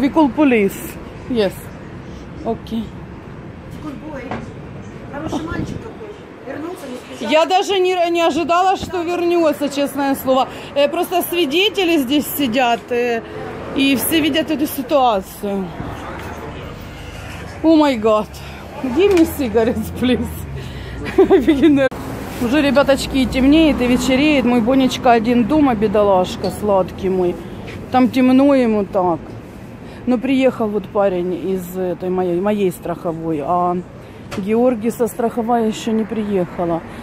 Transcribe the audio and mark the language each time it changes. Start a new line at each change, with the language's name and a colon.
English: We call police. Yes. Okay. Good boy.
Russian: Хороший мальчик какой. Вернулся, не сбежал. Я даже не ожидала, что вернется, честное слово. Просто свидетели здесь сидят, и все видят эту ситуацию.
English: Oh my God. Give me cigarettes, please.
Russian: Уже, ребяточки, темнеет и вечереет. Мой Бонечка один дома, бедолашка, сладкий мой. Там темно ему так. Но приехал вот парень из этой моей страховой, а Георгий со страховой еще не приехала.